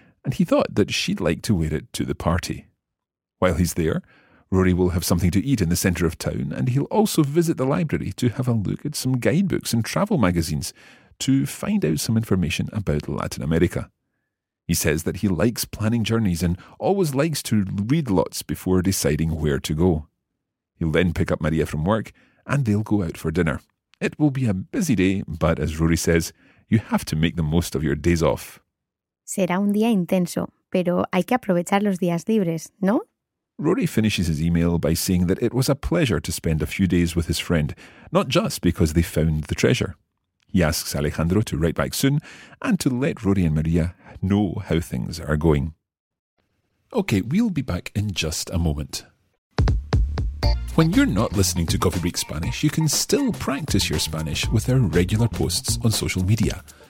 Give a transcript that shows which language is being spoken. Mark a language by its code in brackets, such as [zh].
[en] And he thought that she'd like to wear it to the party. While he's there, Rory will have something to eat in the centre of town and he'll also visit the library to have a look at some guidebooks and travel magazines to find out some information about Latin America. He says that he likes planning journeys and always likes to read lots before deciding where to go. He'll then pick up Maria from work and they'll go out for dinner. It will be a busy day, but as Rory says, you have to make the most of your days off. [es] Será un día intenso, pero hay que aprovechar los días libres, ¿no? [en] Rory finishes his email by saying that it was a pleasure to spend a few days with his friend, not just because they found the treasure. He asks Alejandro to write back soon and to let Rory and Maria know how things are going. Okay, we'll be back in just a moment. When you're not listening to Coffee Break Spanish, you can still practice your Spanish with our regular posts on social media.